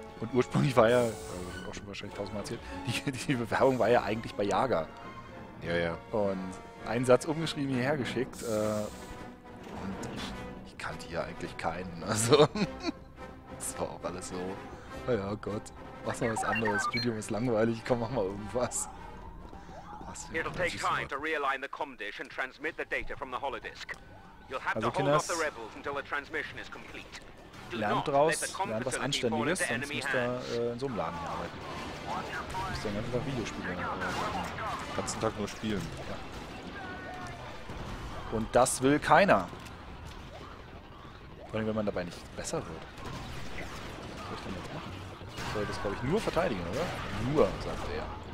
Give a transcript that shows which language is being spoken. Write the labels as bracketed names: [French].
[German] Und ursprünglich war ja, das habe ich auch schon wahrscheinlich tausendmal erzählt, die Bewerbung war ja eigentlich bei Jager. Ja, ja. Und einen Satz umgeschrieben, hierher geschickt. Und ich kannte ja eigentlich keinen. Also... Das war auch alles so, oh ja, Gott, mach mal was anderes, Studium ist langweilig, komm, mach mal irgendwas. [English] It'll take time to realign the comdish and transmit the data from the holodisk. You'll have to hold off the rebels until the transmission is complete. [German] Lernt draus, lernt was Anständiges, sonst müsst ihr in so einem Laden hier arbeiten. Müsst ihr einfach Videospiele ganzen Tag nur spielen. Ja. Und das will keiner. Vor allem, wenn man dabei nicht besser wird. Was soll ich denn jetzt machen? Ich soll das, glaube ich, nur verteidigen, oder? Nur, sagt er.